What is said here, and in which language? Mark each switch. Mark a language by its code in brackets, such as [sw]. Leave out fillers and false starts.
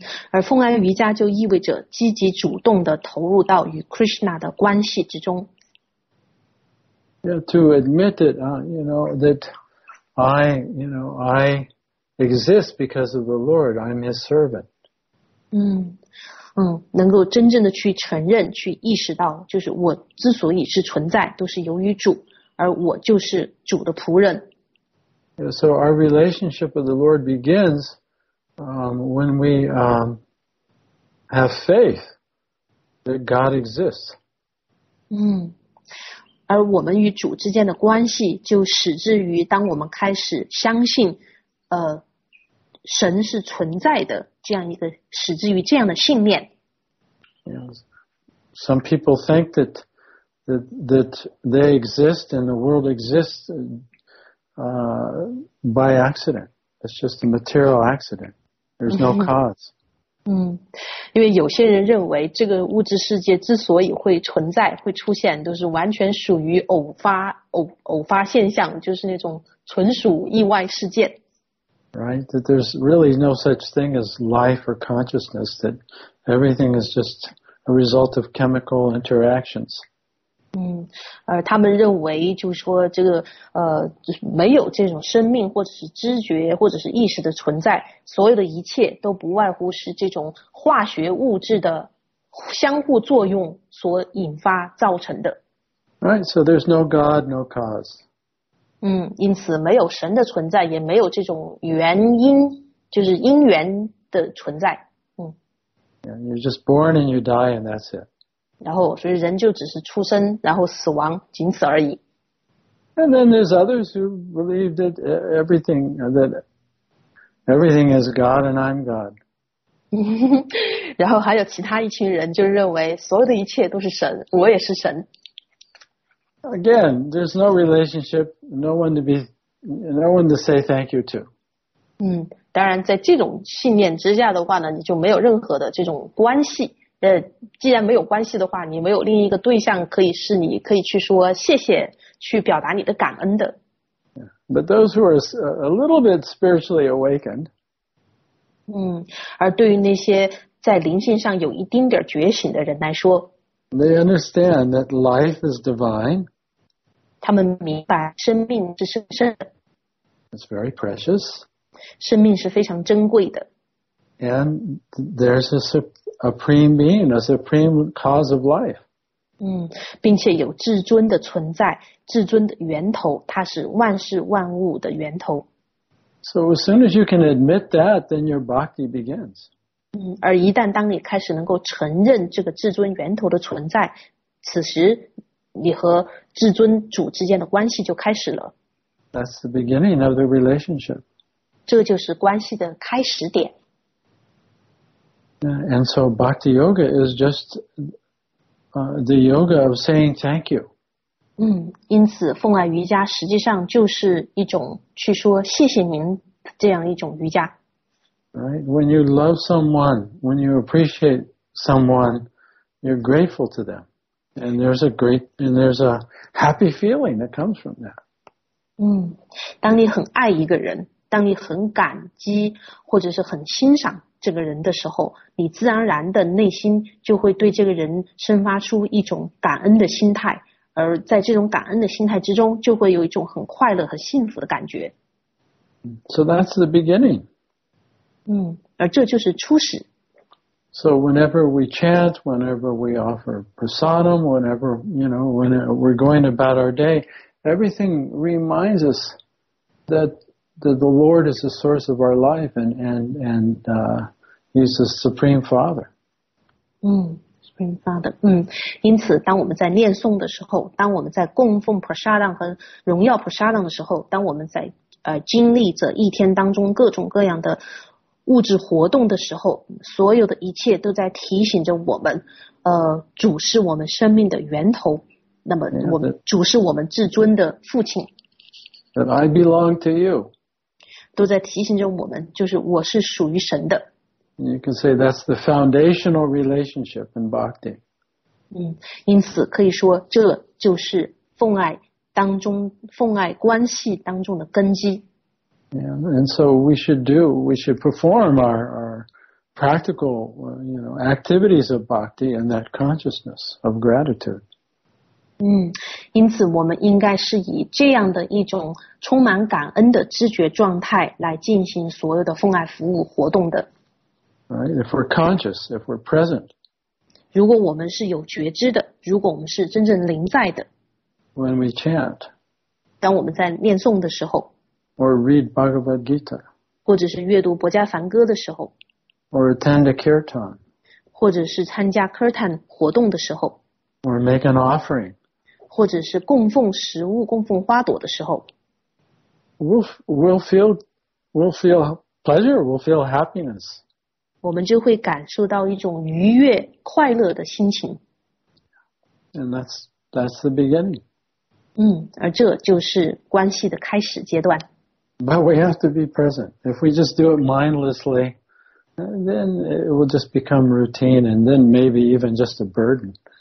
[zh] 而奉爱瑜伽就意味着积极主动地投入到与 Krishna 的关系之中。 [en] Yeah, to admit that, you know, that I, you know, I exist because of the Lord, I'm his servant. [zh] 能够真正的去承认，去意识到，就是我之所以是存在，都是由于主，而我就是主的仆人。 [en] So our relationship with the Lord begins, when we, have faith that God exists. [zh] 而我们与主之间的关系，就始至于当我们开始相信，神是存在的这样一个始至于这样的信念。 [en] Some people think that they exist and the world exists by accident. It's just a material accident. There's no cause. [zh] 因为有些人认为这个物质世界之所以会存在，会出现，都是完全属于偶发现象，就是那种纯属意外事件。 [en] Right, that there's really no such thing as life or consciousness, that everything is just a result of chemical interactions. [zh] 他们认为就是说这个没有这种生命或者是知觉或者是意识的存在，所有的一切都不外乎是这种化学物质的相互作用所引发造成的。 [en] Right, so there's no God, no cause. [zh] 因此没有神的存在，也没有这种原因，就是因缘的存在。 [en] You're just born and you die and that's it. [zh] 然后所以人就只是出生然后死亡，仅此而已。 [en] And then there's others who believe that everything is God and I'm God. [zh] 然后还有其他一群人就认为所有的一切都是神，我也是神。 [en] Again, there's no relationship, no one to say thank you to. [zh] 当然在这种信念之下的话呢，你就没有任何的这种关系。既然没有关系的话，你没有另一个对象可以是你可以去说谢谢，去表达你的感恩的。 [en] But those who are a little bit spiritually awakened. [zh] 而对于那些在灵性上有一丁点觉醒的人来说， [en] They understand that life is divine. [zh] 他们明白生命是神圣的。 [en] It's very precious. [zh] 生命是非常珍贵的。 [en] And there's a supreme being, a supreme cause of life. [zh] 并且有至尊的存在，至尊的源头，它是万事万物的源头。 [en] So as soon as you can admit that, then your bhakti begins. [zh] 而一旦当你开始能够承认这个至尊源头的存在，此时你和至尊主之间的关系就开始了。 [en] That's the beginning of the relationship. [zh] 这就是关系的开始点。 [en] And so Bhakti Yoga is just the yoga of saying thank you. [zh] 因此奉爱瑜伽实际上就是一种去说谢谢您这样一种瑜伽。 [en] Right? When you love someone, when you appreciate someone, you're grateful to them. And there's a happy feeling that comes from that. [zh] 当你很爱一个人，当你很感激或者是很欣赏这个人的时候，你自然而然的内心就会对这个人生发出一种感恩的心态，而在这种感恩的心态之中，就会有一种很快乐和幸福的感觉。 [en] So that's the beginning. [zh] 而这就是初始。 [en] So whenever we chant, whenever we offer prasadam, whenever, you know, when we're going about our day, everything reminds us that the Lord is the source of our life and He's the Supreme Father. Supreme Father. [zh] 因此当我们在念诵的时候，当我们在供奉 prasadam 和荣耀 prasadam 的时候，当我们在经历着一天当中各种各样的物质活动的时候，所有的一切都在提醒着我们，主是我们生命的源头。那么，我们 yeah, 主是我们至尊的父亲。 [en] That I belong to you， [zh] 都在提醒着我们，就是我是属于神的。 [en] You can say that's the foundational relationship in bhakti。 [zh] 因此可以说这就是奉爱关系当中的根基。 [en] Yeah, and so we should perform our practical, you know, activities of bhakti and that consciousness of gratitude. [zh] 因此我们应该是以这样的一种充满感恩的知觉状态来进行所有的奉爱服务活动的。 [en] Right, if we're conscious, if we're present. [zh] 如果我们是有觉知的，如果我们是真正临在的。 [en] When we chant. [zh] 当我们在念诵的时候。 [en] Or read Bhagavad Gita. [zh] 或者是阅读《博迦梵歌》的时候。 [en] Or attend a kirtan. [zh] 或者是参加 kirtan 活动的时候。 [en] Or make an offering. [zh] 或者是供奉食物、供奉花朵的时候。 [en] We'll feel pleasure. We'll feel happiness. [zh] 我们就会感受到一种愉悦、快乐的心情。 [en] And that's the beginning. [zh] 而这就是关系的开始阶段。 [en] But we have to be present. If we just do it mindlessly, then it will just become routine and then maybe even just a burden.